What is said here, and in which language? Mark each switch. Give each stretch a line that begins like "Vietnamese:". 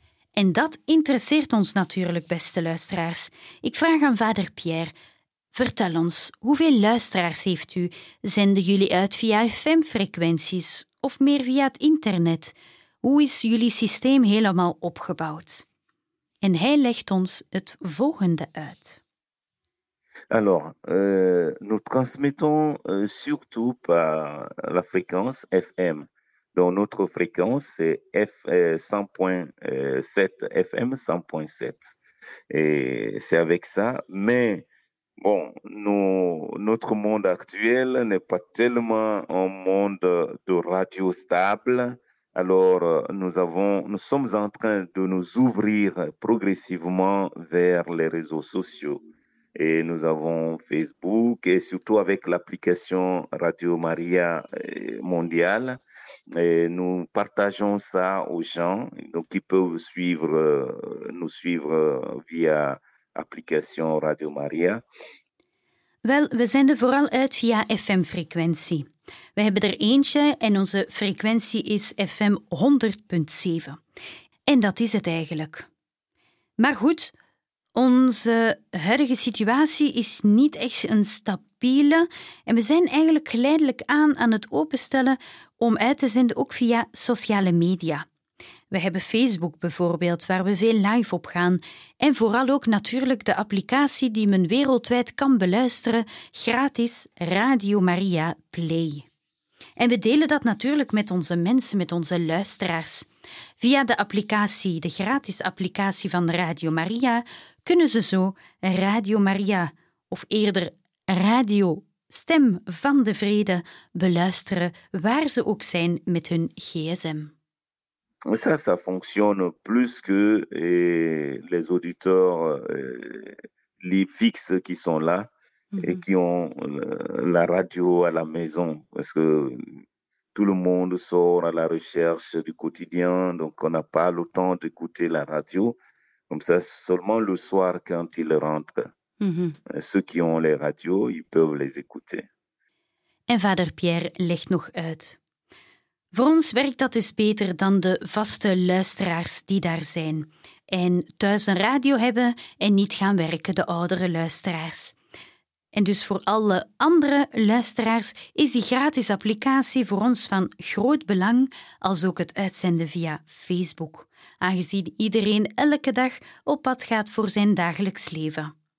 Dutch: En dat interesseert ons natuurlijk, beste luisteraars. Ik vraag aan vader Pierre, vertel ons, hoeveel luisteraars heeft u? Zenden jullie uit via FM-frequenties of meer via het internet? Hoe is jullie systeem helemaal opgebouwd? En hij legt ons het volgende uit.
French: Alors, nous transmettons surtout par la fréquence FM. Donc, notre fréquence, c'est 100.7, FM 100.7. Et c'est avec ça. Mais, bon, notre monde actuel n'est pas tellement un monde de radio stable. Alors, nous sommes en train de nous ouvrir progressivement vers les réseaux sociaux. Et nous avons Facebook et surtout avec l'application Radio Maria mondiale. Et nous partageons ça aux gens qui peuvent nous suivre via l'application Radio Maria.
Dutch: Wel, we zenden vooral uit via FM-frequentie. We hebben er eentje en onze frequentie is FM 100.7. En dat is het eigenlijk. Maar goed, onze huidige situatie is niet echt een stabiele en we zijn eigenlijk geleidelijk aan het openstellen om uit te zenden ook via sociale media. We hebben Facebook bijvoorbeeld, waar we veel live op gaan. En vooral ook natuurlijk de applicatie die men wereldwijd kan beluisteren, gratis Radio Maria Play. En we delen dat natuurlijk met onze mensen, met onze luisteraars. Via de applicatie, de gratis applicatie van Radio Maria, kunnen ze zo Radio Maria, of eerder Radio Stem van de Vrede, beluisteren waar ze ook zijn met hun gsm.
French: Ça, ça fonctionne plus que les auditeurs, les fixes qui sont là et qui ont la radio à la maison. Parce que tout le monde sort à la recherche du quotidien, donc on n'a pas le temps d'écouter la radio. Comme ça, seulement le soir quand ils rentrent. Mm-hmm. Ceux qui ont les radios, ils peuvent les écouter.
Dutch: En vader Pierre legt nog uit. Voor ons werkt dat dus beter dan de vaste luisteraars die daar zijn. En thuis een radio hebben en niet gaan werken, de oudere luisteraars. En dus voor alle andere luisteraars is die gratis applicatie voor ons van groot belang, als ook het uitzenden via Facebook, aangezien iedereen elke dag op pad gaat voor zijn dagelijks leven.